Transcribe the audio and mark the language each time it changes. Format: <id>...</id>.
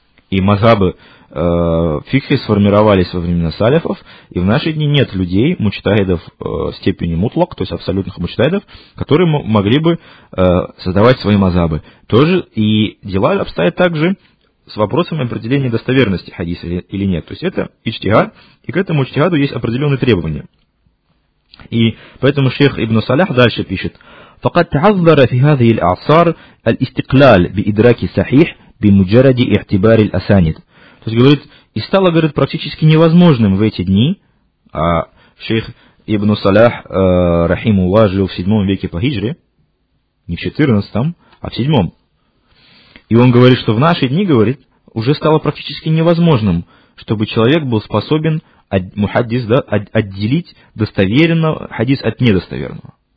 <ru>И мазхабы фикхи сформировались во времена салифов, и в наши дни нет людей, мучтахидов степени мутлак, то есть абсолютных мучтахидов, которые могли бы создавать свои мазхабы. Тоже и дела обстоят также с вопросом определения достоверности хадиса или нет. То есть это ичтихад, и к этому ичтихаду есть определенные требования. И поэтому шейх Ибн Салях дальше пишет,</ru> <ar>فَقَدْ تَعَذَّرَ فِي هَذِهِ الْأَعْصَارِ الْإِسْتِقْلَالِ بِإِدْرَكِ صَحِيحِ بِمُجَرَدِ اِعْتِبَارِ الْأَسَانِدِ.</ar> <ru>То есть говорит, и стало, говорит, практически невозможным в эти дни, а шейх Ибн Салях, рахимуллах, жил в 7 веке по хиджре, не в 14, а в 7. И он говорит, что в наши дни, говорит, уже стало практически невозможным, чтобы человек был способен мухаддис, да, отделить достоверного хадис от недостоверного.</ru>